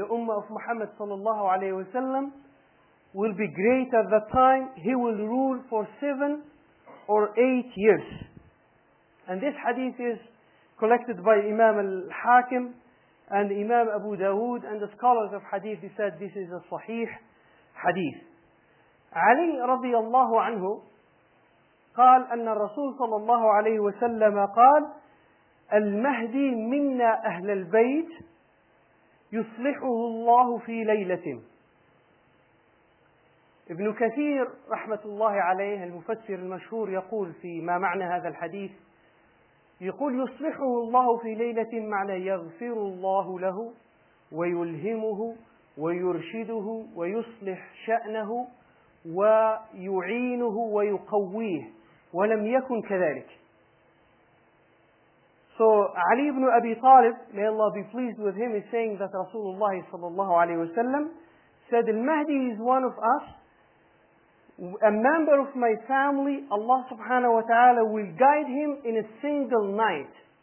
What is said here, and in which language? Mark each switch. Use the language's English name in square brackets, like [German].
[English] The ummah of Muhammad sallallahu alayhi wa sallam will be great at that time. He will rule for 7 or 8 years. And this hadith is collected by Imam al-Hakim and Imam Abu Dawood, and the scholars of hadith, they said this is a sahih hadith. [Arabic] Ali رضي الله عنه قال أن الرسول صلى الله عليه وسلم قال المهدي منا أهل البيت يصلحه الله في ليلة. ابن كثير رحمة الله عليه المفسر المشهور يقول في ما معنى هذا الحديث، يقول يصلحه الله في ليلة معنى يغفر الله له ويلهمه ويرشده ويصلح شأنه ويعينه ويقويه ولم يكن كذلك. [English] So Ali ibn Abi Talib, may Allah be pleased with him, is saying that Rasulullah sallallahu alayhi wa sallam said, Al-Mahdi is one of us, a member of my family. Allah subhanahu wa ta'ala will guide him in a single night.